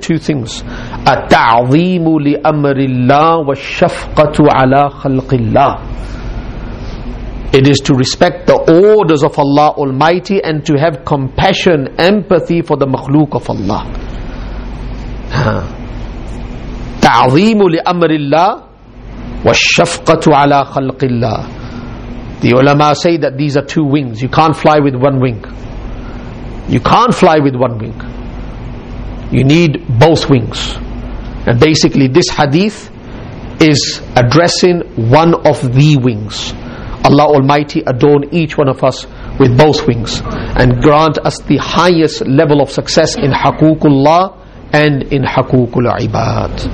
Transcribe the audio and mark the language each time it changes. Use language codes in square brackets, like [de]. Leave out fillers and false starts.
[en] Two things: [ar] at-ta'zeemu li amrillah wa shafqatu ala khalqillah. [en] It is to respect the orders of Allah Almighty and to have compassion, empathy for the makhluk of Allah. [ar] تعظيم لأمر الله والشفقة على خلق الله. [en] The ulama say that these are two wings. You can't fly with one wing. You can't fly with one wing. You need both wings. And basically this hadith is addressing one of the wings. Allah Almighty adorn each one of us with both wings and grant us the highest level of success in haqooqullah and in haqooqul ibad.